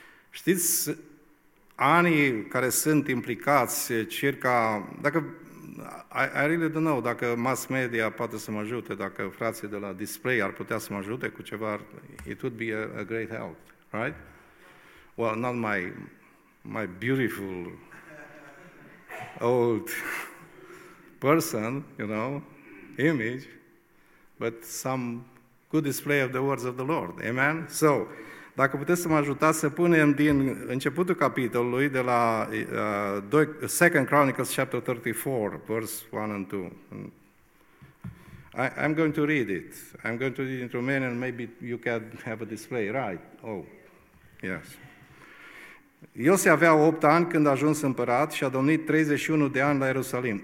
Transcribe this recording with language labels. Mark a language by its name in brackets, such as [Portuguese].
[Romanian] Știți, anii care sunt implicați, circa, dacă mass media poate să mă ajute, dacă frații de la Display ar putea să mă ajute cu ceva, [English] it would be a great help, right? Well, not my beautiful old person, you know, image, but some good display of the words of the Lord. Amen? So, [Romanian] Dacă puteți să mă ajutați să punem din începutul capitolului, de la [English] 2 Chronicles chapter 34, verse 1 and 2. I'm going to read it. I'm going to read it in Romanian and maybe you can have a display, right? Oh, yes. [Romanian] Iosif avea 8 ani când a ajuns împărat și a domnit 31 de ani la Ierusalim.